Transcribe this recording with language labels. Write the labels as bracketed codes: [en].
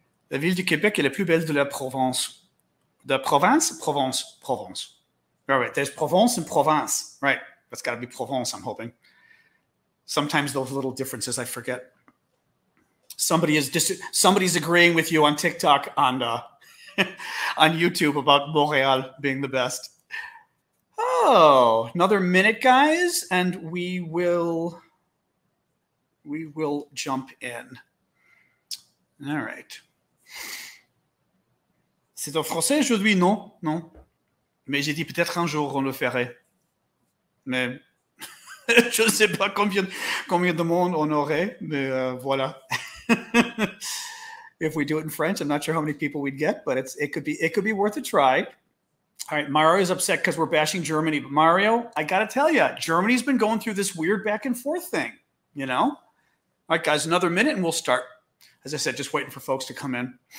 [fr] La ville du Québec est la plus belle de la Provence. [en] The Provence? Provence. All right, there's Provence and Provence. Right, that's got to be Provence, I'm hoping. Sometimes those little differences, I forget. Somebody's agreeing with you on TikTok and on YouTube about Montreal being the best. Oh, another minute, guys, and we will jump in. All right. [fr] C'est en français aujourd'hui, non? Non. Mais j'ai dit peut-être un jour on le ferait. Mais je ne sais pas combien de monde on aurait, mais voilà. [en] If we do it in French, I'm not sure how many people we'd get, but it could be worth a try. All right, Mario is upset because we're bashing Germany. But Mario, I got to tell you, Germany's been going through this weird back and forth thing, you know? All right, guys, another minute and we'll start. As I said, just waiting for folks to come in.